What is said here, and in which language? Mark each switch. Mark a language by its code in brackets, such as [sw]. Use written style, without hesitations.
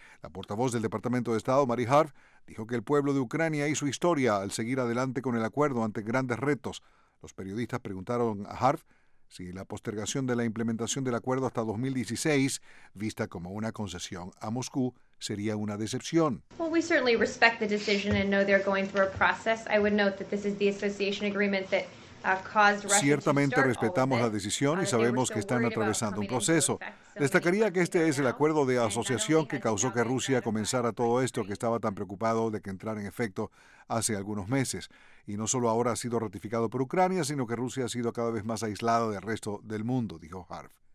[es] La portavoz del Departamento de Estado, Mary Harf, dijo que el pueblo de Ucrania hizo historia al seguir adelante con el acuerdo ante grandes retos. Los periodistas preguntaron a Harf si la postergación de la implementación del acuerdo hasta 2016, vista como una concesión a Moscú, sería una decepción. [en] Well, we certainly respect the decision and know they're going through a process. I would note that this is the association agreement that [es] Ciertamente respetamos la decisión y sabemos que están atravesando un proceso. Destacaría que este es el acuerdo de asociación que causó que Rusia comenzara todo esto que estaba tan preocupado de que entrara en efecto hace algunos meses. Y no solo ahora ha sido ratificado por Ucrania, sino que Rusia ha sido cada vez más aislada del resto del mundo, dijo Harf.